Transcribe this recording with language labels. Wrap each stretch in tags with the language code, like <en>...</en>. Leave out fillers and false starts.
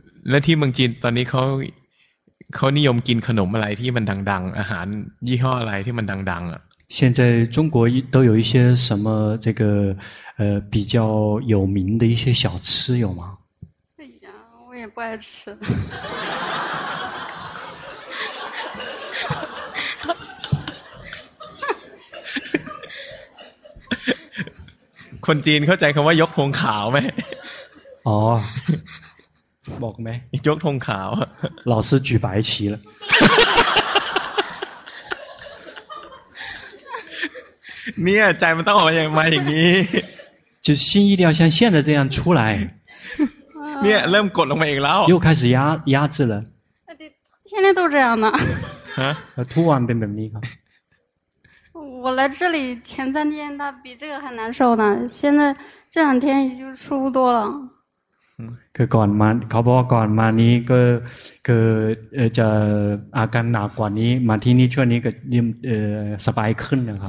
<th>และที่เมืองจีนตอนนี้เขานิยมกินขนมอะไรที่มันดังๆอาหารยี่ห้ออะไรที่มันดังๆอ่ะ</th> <zh>现在中国都有一些什么这个比较有名的一些小吃有吗？哎呀，我也不爱吃。</zh> <th>คนจีนเข้าใจคำว่ายกธงขาวไหม อ๋อบอกไหม ยกธงขาว</th> <zh>老师举白旗了</zh> <th>เนี่ยใจมันต้องออกมาอย่างนี้</th> <zh>就心一定要像现在这样出来</zh> <th>เนี่ยเริ่มกดลงมาอีกแล้ว</th> <zh>又开始压制了天天都这样呢</zh> <th>ทุกวันเป็นแบบนี้ครับ</th> <zh>我来这里前三天他比这个还难受呢现在这两天已经舒服多了嗯</zh> <th>可ก่อนมาเขาบอกก่อนมานี้ก็คือจะอาการหนักกว่านี้มาที่นี่ช่วงนี้ก็ยิ่งสบายขึ้นนะครับ</th>